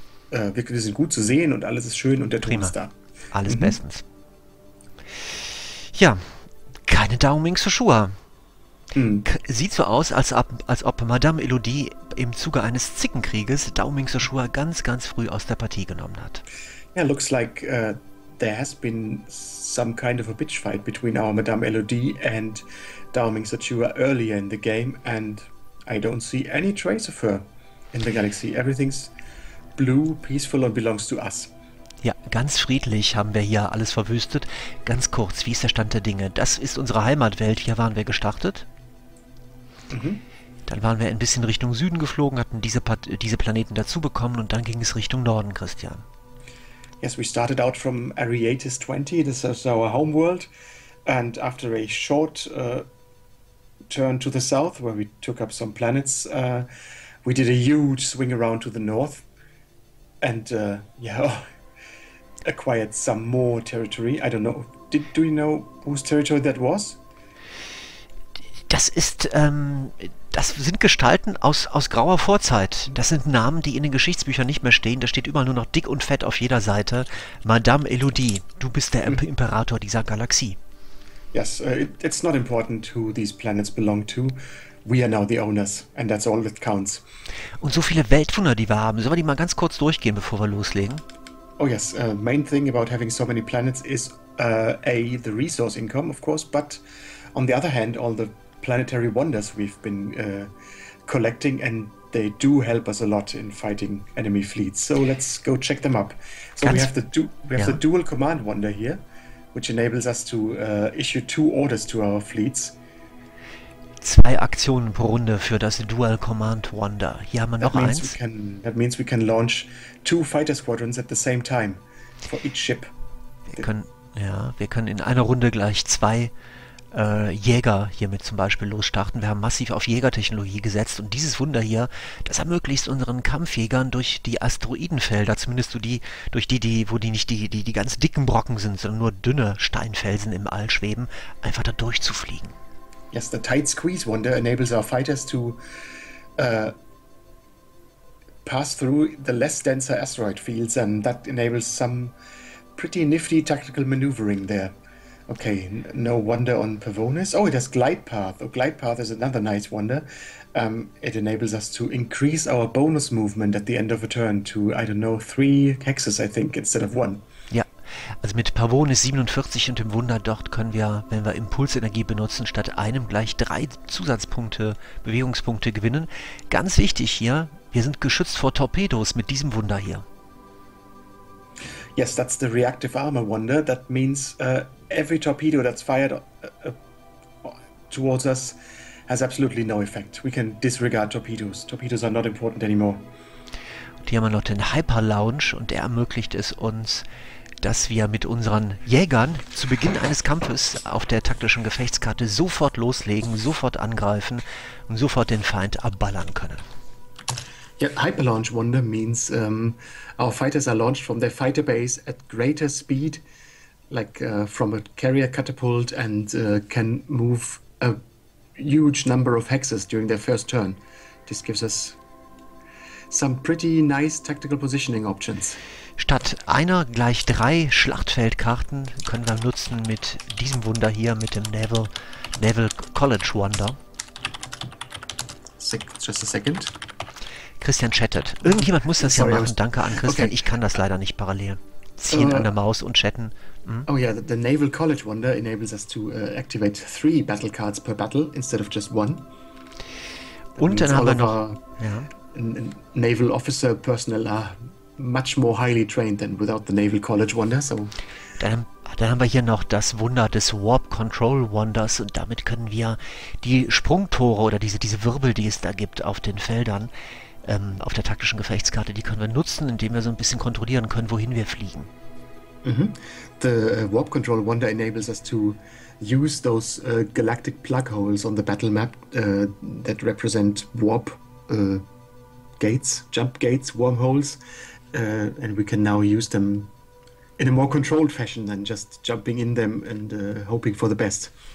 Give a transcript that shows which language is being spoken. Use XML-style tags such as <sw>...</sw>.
<de>Wir sind gut zu sehen und alles ist schön und der Ton ist da. Alles bestens. Ja, keine Daoming Suxua. Sieht so aus, als ob Madame Elodie im Zuge eines Zickenkrieges Daoming Suxua ganz, ganz früh aus der Partie genommen hat.</de> <en>Yeah, looks like there has been some kind of a bitch fight between our Madame Elodie and Daoming Suxua earlier in the game, and I don't see any trace of her in the galaxy. Everything's blue, peaceful and belongs to us.</en> <de>Ja, ganz friedlich haben wir hier alles verwüstet. Ganz kurz, wie ist der Stand der Dinge? Das ist unsere Heimatwelt, hier waren wir gestartet. Dann waren wir ein bisschen Richtung Süden geflogen, hatten diese Planeten dazu bekommen und dann ging es Richtung Norden, Christian.</de> <en>Yes, we started out from Arietis 20. This is our home world. And after a short turn to the south, where we took up some planets, we did a huge swing around to the north and acquired some more territory. I don't know. Do you know whose territory that was?</en> <de>Das ist... Das sind Gestalten aus grauer Vorzeit. Das sind Namen, die in den Geschichtsbüchern nicht mehr stehen. Da steht immer nur noch dick und fett auf jeder Seite. Madame Elodie, du bist der Imperator dieser Galaxie.</de> <en>Yes, it's not important who these planets belong to. We are now the owners and that's all that counts.</en> <de>Und so viele Weltwunder, die wir haben. Sollen wir die mal ganz kurz durchgehen, bevor wir loslegen?</de> <en>Oh yes, main thing about having so many planets is the resource income, of course, but on the other hand, all the planetary wonders we've been collecting and they do help us a lot in fighting enemy fleets. So let's go check them up. So</en> <de>ganz,</de> <en>we have the dual command wonder here, which enables us to issue two orders to our fleets.</en> <de>Zwei Aktionen pro Runde für das Dual Command Wonder. Hier haben wir noch eins.</de> <en>That means we can launch two fighter squadrons at the same time for each ship.</en> <de>Wir können in einer Runde gleich zwei Jäger hiermit zum Beispiel losstarten. Wir haben massiv auf Jägertechnologie gesetzt und dieses Wunder hier, das ermöglicht unseren Kampfjägern durch die Asteroidenfelder, zumindest wo die ganz dicken Brocken sind, sondern nur dünne Steinfelsen im All schweben, einfach da durchzufliegen.</de> <en>Yes, the tight squeeze wonder enables our fighters to pass through the less denser asteroid fields, and that enables some pretty nifty tactical maneuvering there. Okay, no wonder on Pavonis. Oh, it has glide path. Oh, glide path is another nice wonder. It enables us to increase our bonus movement at the end of a turn to, I don't know, 3 hexes, I think, instead of 1.</en> <de>Ja, also mit Pavonis 47 und dem Wunder dort können wir, wenn wir Impulsenergie benutzen, statt einem gleich 3 Zusatzpunkte, Bewegungspunkte gewinnen. Ganz wichtig hier, wir sind geschützt vor Torpedos mit diesem Wunder hier.</de> <en>Yes, that's the reactive armor wonder. That means every torpedo that's fired towards us has absolutely no effect. We can disregard torpedoes. Torpedoes are not important anymore.</en> <de>Und hier haben wir noch den Hyper-Launch und der ermöglicht es uns, dass wir mit unseren Jägern zu Beginn eines Kampfes auf der taktischen Gefechtskarte sofort loslegen, sofort angreifen und sofort den Feind abballern können.</de> <en>Yeah, Hyperlaunch Wonder means our fighters are launched from their fighter base at greater speed, like from a carrier catapult, and can move a huge number of hexes during their first turn. This gives us some pretty nice tactical positioning options.</en> <de>Statt einer gleich 3 Schlachtfeldkarten können wir nutzen mit diesem Wunder hier, mit dem Naval College Wonder.</de> <en>Just a second.</en> <de>Christian chattet. Irgendjemand muss das ja machen. Danke an Christian. Okay. Ich kann das leider nicht parallel. Ziehen an der Maus und chatten.</de> <en>Hm? Oh yeah, the Naval College Wonder enables us to activate 3 battle cards per battle instead of just 1.</en> <de>Und dann haben wir noch...</de> <en>Naval Officer Personnel are much more highly trained than without the Naval College Wonder, so...</en> <de>Dann haben wir hier noch das Wunder des Warp Control Wonders und damit können wir die Sprungtore oder diese Wirbel, die es da gibt auf den Feldern, auf der taktischen Gefechtskarte, die können wir nutzen, indem wir so ein bisschen kontrollieren können, wohin wir fliegen. Mm-hmm.</de> <en>The Warp Control Wonder enables us to use those galactic plug holes on the battle map that represent warp gates, jump gates, wormholes, and we can now use them in a more controlled fashion than just jumping in them and hoping for the best.</en>